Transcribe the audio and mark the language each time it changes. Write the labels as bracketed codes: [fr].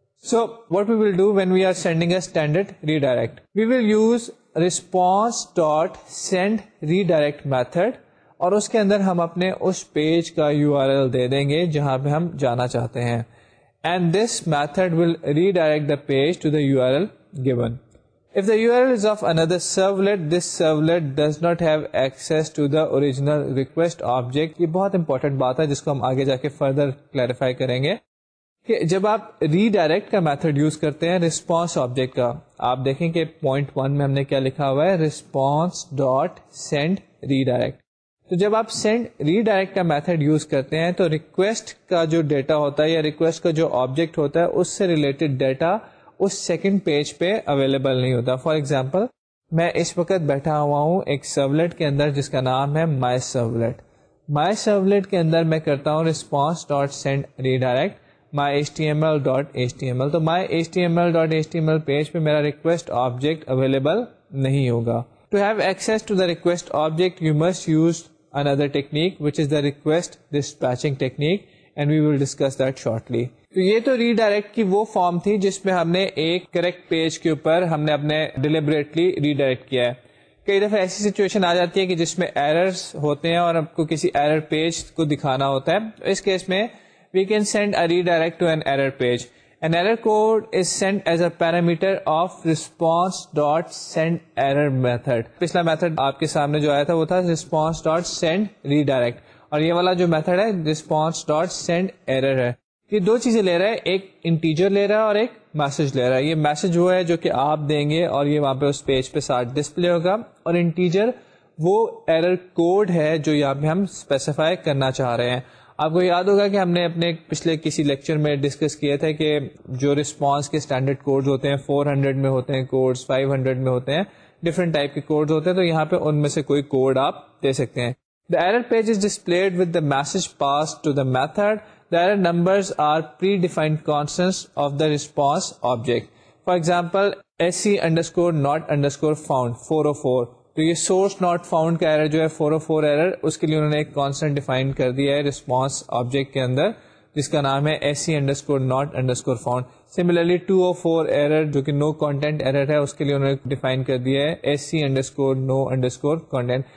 [en] so what we will do when we are sending a standard redirect, we will use response dot send redirect method, [ur] اور اس کے اندر ہم اپنے اس page کا you R L دے دیں گے جہاں پہ ہم جانا چاہتے ہیں, [en] And this method will redirect the page to the U R L given. If the URL is of another servlet, this servlet does not have access to the original request object. [ur] یہ بہت important بات ہے جس کو ہم آگے جا کے فردر کلیریفائی کریں گے کہ جب آپ ری ڈائریکٹ کا میتھڈ یوز کرتے ہیں ریسپانس آبجیکٹ کا, آپ دیکھیں کہ پوائنٹ ون میں ہم نے کیا لکھا ہوا ہے, ریسپانس ڈاٹ سینڈ ری ڈائریکٹ. تو جب آپ سینڈ ری ڈائریکٹ کا میتھڈ یوز کرتے ہیں تو ریکویسٹ کا جو ڈیٹا ہوتا ہے یا ریکویسٹ کا جو آبجیکٹ ہوتا ہے اس سے ریلیٹڈ ڈیٹا اس سیکنڈ پیج پہ اویلیبل نہیں ہوتا. فار ایگزامپل میں اس وقت بیٹھا ہوا ہوں ایک سرولیٹ کے اندر جس کا نام ہے مائی سرولیٹ. مائی سرولیٹ کے اندر میں کرتا ہوں ریسپانس ڈاٹ سینڈ ری ڈائریکٹ مائی HTML ڈاٹ HTML, تو مائی HTML ڈاٹ HTML پیج پہ میرا ریکویسٹ آبجیکٹ اویلیبل نہیں ہوگا. [en] To have access to the request object you must use another technique which is the request dispatching technique, and we will discuss that shortly. [ur] تو یہ تو ری direct کی وہ form تھی جس میں ہم نے ایک کریکٹ پیج کے اوپر ہم نے اپنے ڈیلیبریٹلی ری ڈائریکٹ کیا ہے. کئی دفعہ ایسی سچویشن آ جاتی ہے کہ جس میں ایررز ہوتے ہیں اور آپ کو کسی ایرر پیج کو دکھانا ہوتا ہے, تو اس کیس میں [en] We can send a redirect to an error page. An error code is send as a parameter of response dot send error method. [ur] پچھلا میتھڈ آپ کے سامنے جو آیا تھا وہ تھا ریسپانس ڈاٹ سینڈ ری ڈائریکٹ, اور یہ والا جو میتھڈ ہے ریسپانس ڈاٹ سینڈ ایرر ہے. یہ دو چیزیں لے رہا ہے, ایک انٹیجر لے رہا ہے اور ایک میسج لے رہا ہے. یہ میسج وہ ہے جو کہ آپ دیں گے اور یہ وہاں پہ اس پیج پہ ساتھ ڈسپلے ہوگا, اور انٹیجر وہ ایرر کوڈ ہے جو یہاں پہ ہم اسپیسیفائی کرنا چاہ رہے ہیں. آپ کو یاد ہوگا کہ ہم نے اپنے پچھلے کسی لیکچر میں ڈسکس کیا تھا کہ جو ریسپانس کے اسٹینڈرڈ کوڈز ہوتے ہیں 400 میں ہوتے ہیں کوڈز, 500 میں ہوتے ہیں, ڈفرنٹ ٹائپ کے کوڈز ہوتے ہیں, تو یہاں پہ ان میں سے کوئی کوڈ آپ دے سکتے ہیں. [en] The error page is displayed with the message passed to the method. There are numbers are predefined constants of the response object. For example, sc underscore not underscore found 404. [ur] تو یہ سورس ناٹ فاؤنڈ کا error جو ہے 404 error, اس کے لیے انہوں نے ایک کانسٹنٹ ڈیفائن کر دیا ہے ریسپانس آبجیکٹ کے اندر جس کا نام ہے sc_not_found. سملرلی 204 ایرر جو کہ نو کانٹینٹ ایرر ہے اس کے لیے انہوں نے ڈیفائن کر دیا ہے sc_no_content.